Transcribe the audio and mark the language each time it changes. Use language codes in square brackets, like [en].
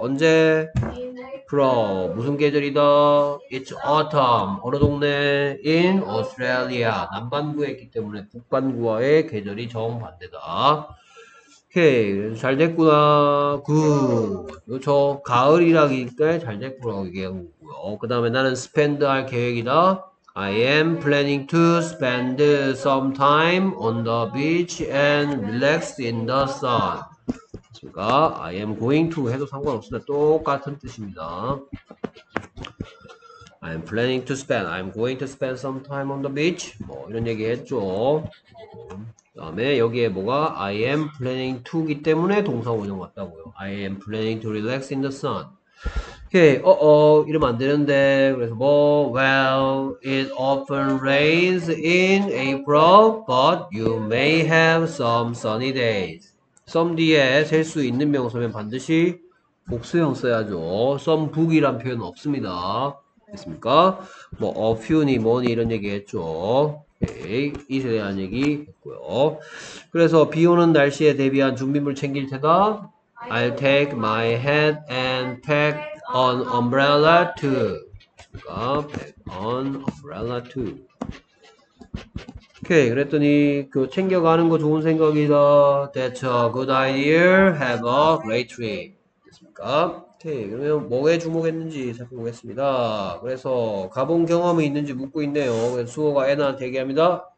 [ko] 언제? From 무슨 계절이다? [en] It's autumn. [ko] 어느 동네? [en] In Australia. [ko] 남반구에 있기 때문에 북반구와의 계절이 정반대다. 오케이. 잘 됐구나. 굿. 그렇죠. 가을이라기 때문에 잘 됐구나. 이게 그 다음에 나는 spend 할 계획이다. [en] I am planning to spend some time on the beach and relax in the sun. [ko] 제가 [en] I am going to [ko] 해도 상관없습니다. 똑같은 뜻입니다. [en] I am planning to spend. I am going to spend some time on the beach. [ko] 뭐 이런 얘기 했죠. 그다음에 여기에 뭐가 [en] I am planning to [ko] 이기 때문에 동사 원형 왔다고요. [en] I am planning to relax in the sun. [ko] 오케이, 이러면 안 되는데. 그래서 뭐, [en] well, it often rains in April, but you may have some sunny days. [ko] some 뒤에 셀수 있는 명사면 반드시 복수형 써야죠. some 북이란 표현 없습니다. 됐습니까? 뭐, a few니 뭐니 이런 얘기 했죠. 오케이, 이에 대한 얘기 했고요. 그래서 비 오는 날씨에 대비한 준비물 챙길 테다. [en] I'll take my hat and pack on umbrella too. [ko] 그러니까 [en] pack on umbrella too. [ko] 오케이, 그랬더니 그 챙겨가는 거 좋은 생각이다. [en] That's a good idea. Have a great trip. [ko] 됐습니까? 오케이, 그러면 뭐에 주목했는지 살펴보겠습니다. 그래서 가본 경험이 있는지 묻고 있네요. 그래서 수호가 애나한테 얘기합니다.